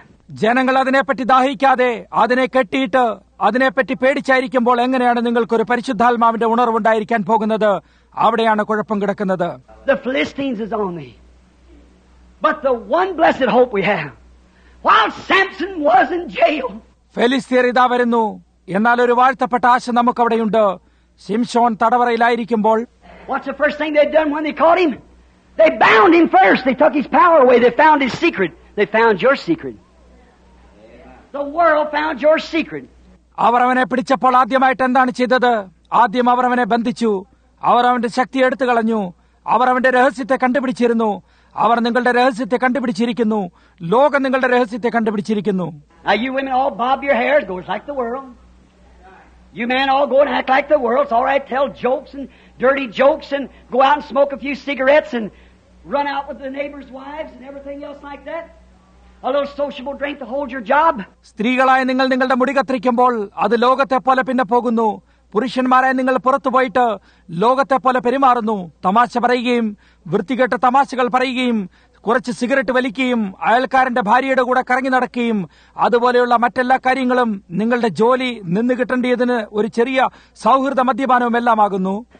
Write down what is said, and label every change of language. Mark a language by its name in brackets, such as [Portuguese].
[Malayalam] ജനങ്ങൾ അതിനെപ്പറ്റി ദാഹിക്കാതെ അതിനെ കെട്ടിയിട്ട് അതിനെപ്പറ്റി പേടിച്ചായിരിക്കുമ്പോൾ എങ്ങനെയാണ് നിങ്ങൾക്കൊരു പരിശുദ്ധാത്മാവിന്റെ ഉണർവുണ്ടായിരിക്കാൻ പോകുന്നത്? അവിടെയാണ് കുഴപ്പം കിടക്കുന്നത്. [English] The Philistines is on me. But the one blessed hope we have, while Samson was in jail, [Malayalam] ഫെലിസ്തീയർ ഇതാ വരുന്നു, എന്നാൽ ഒരു വാഴ്ത്തപ്പെട്ട ആശ നമുക്കവിടെയുണ്ട്. സിംസോൺ തടവറയിലായിരിക്കുമ്പോൾ [English] What's the first thing they done when they caught him? They bound him first. They took his power away. They found his secret. They found your secret. The world found your secret. [Malayalam] അവർ അവനെ പിടിച്ചപ്പോൾ ആദ്യമായിട്ട് എന്താണ് ചെയ്തത്? ആദ്യം അവർ അവനെ ബന്ധിച്ചു, അവർ അവന്റെ ശക്തി എടുത്തു കളഞ്ഞു, അവർ അവന്റെ രഹസ്യത്തെ കണ്ടുപിടിച്ചിരുന്നു. അവർ നിങ്ങളുടെ രഹസ്യത്തെ കണ്ടുപിടിച്ചിരിക്കുന്നു, ലോകം നിങ്ങളുടെ രഹസ്യത്തെ കണ്ടുപിടിച്ചിരിക്കുന്നു. [English] Now you women all bob your hair, it goes like the world. You men all go and act like the world. It's all right, tell jokes and dirty jokes and go out and smoke a few cigarettes and run out with the neighbor's wives and everything else like that. A little sociable drink to hold your job. [Malayalam] സ്ത്രീകളായി നിങ്ങൾ നിങ്ങളുടെ മുടി കത്തിരിക്കുമ്പോൾ അത് ലോകത്തെ പോലെ പിന്നെ പോകുന്നു. പുരുഷന്മാരായി നിങ്ങൾ പുറത്തു പോയിട്ട് ലോകത്തെ പോലെ പെരുമാറുന്നു. തമാശ പറയുകയും വൃത്തികെട്ട തമാശകൾ പറയുകയും കുറച്ച് സിഗരറ്റ് വലിക്കുകയും അയൽക്കാരന്റെ ഭാര്യയുടെ കൂടെ കറങ്ങി നടക്കുകയും അതുപോലെയുള്ള മറ്റെല്ലാ കാര്യങ്ങളും നിങ്ങളുടെ ജോലി നിന്നു കിട്ടേണ്ടതിന് ഒരു ചെറിയ സൗഹൃദ മദ്യപാനവും എല്ലാം ആകുന്നു.